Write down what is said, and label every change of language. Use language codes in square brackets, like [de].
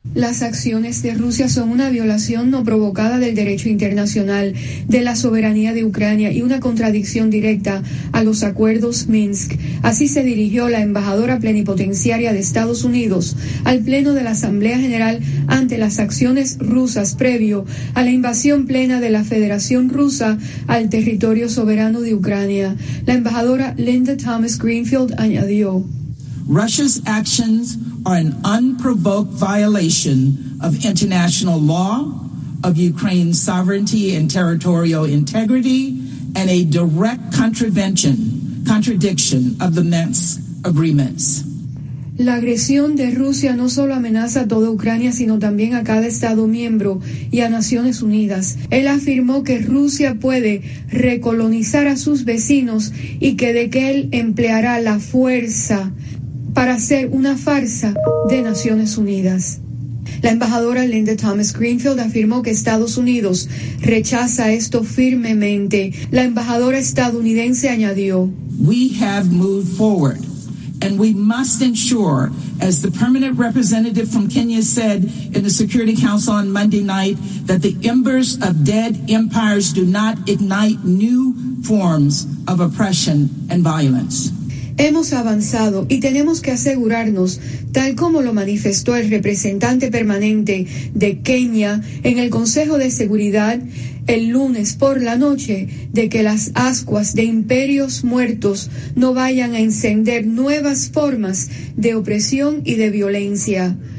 [es] Las acciones de Rusia son una violación no provocada del derecho internacional, de la soberanía de Ucrania y una contradicción directa a los acuerdos Minsk. Así se dirigió la embajadora plenipotenciaria de Estados Unidos al Pleno de la Asamblea General ante las acciones rusas previo a la invasión plena de la Federación Rusa al territorio soberano de Ucrania. La embajadora Linda Thomas-Greenfield añadió: [en] Russia's actions are an unprovoked violation of international law, of Ukraine's sovereignty and territorial integrity, and a direct contradiction of the Minsk agreements. [es] La agresión de Rusia no solo amenaza a toda Ucrania, sino también a cada Estado miembro y a Naciones Unidas. Él afirmó que Rusia puede recolonizar a sus vecinos y que de que él empleará la fuerza para hacer una farsa de Naciones Unidas. La embajadora Linda Thomas-Greenfield afirmó que Estados Unidos rechaza esto firmemente. La embajadora estadounidense añadió: [en] We have moved forward, and we must ensure, as the permanent representative from Kenya said in the Security Council on Monday night, that the embers of dead empires do not ignite new forms of oppression and violence. [es] Hemos avanzado y tenemos que asegurarnos, tal como lo manifestó el representante permanente de Kenia en el Consejo de Seguridad el lunes por la noche, de que las ascuas de imperios muertos no vayan a encender nuevas formas de opresión y de violencia.